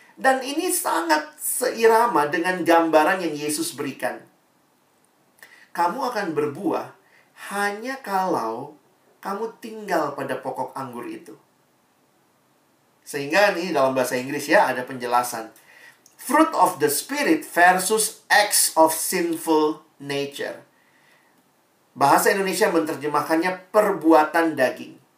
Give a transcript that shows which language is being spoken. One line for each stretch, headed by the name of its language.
Indonesian: Dan ini sangat seirama dengan gambaran yang Yesus berikan. Kamu akan berbuah hanya kalau kamu tinggal pada pokok anggur itu. Sehingga ini dalam bahasa Inggris ya, ada penjelasan.
English: Fruit of the Spirit versus acts of sinful nature.
Indonesian: Bahasa Indonesia menerjemahkannya perbuatan daging.